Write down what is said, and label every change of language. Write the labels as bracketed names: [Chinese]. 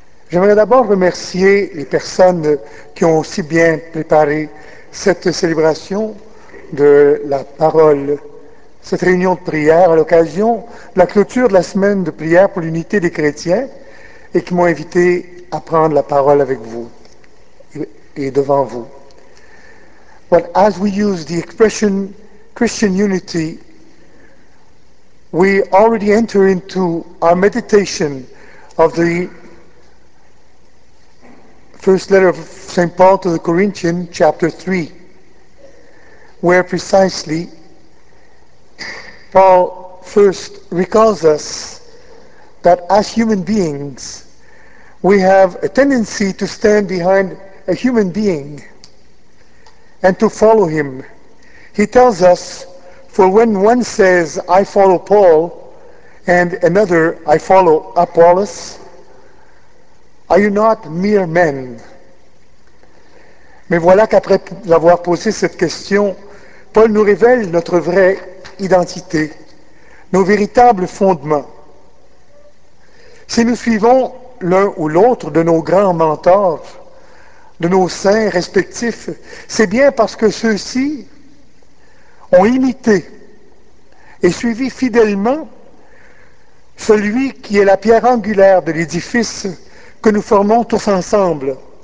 [French] J'aimerais d'abord remercier les personnes qui ont aussi bien préparé cette célébration de la parole, cette réunion de prière à l'occasion de la clôture de la semaine de prière pour l'unité des chrétiens et qui m'ont invité à prendre la parole avec vous et devant vous. [English] But as we use the expression Christian unity, we already enter into our meditation of the first letter of St. Paul to the Corinthians, chapter 3, where precisely Paul first recalls us that as human beings, we have a tendency to stand behind a human being and to follow him. He tells us, for when one says, I follow Paul, and another, I follow Apollos, are you not mere men? [French] Mais voilà qu'après avoir posé cette question, Paul nous révèle notre vraie identité, nos véritables fondements. Si nous suivons l'un ou l'autre de nos grands mentors, de nos saints respectifs, c'est bien parce que ceux-ci ont imité et suivi fidèlement celui qui est la pierre angulaire de l'édifice que nous formons tous ensemble.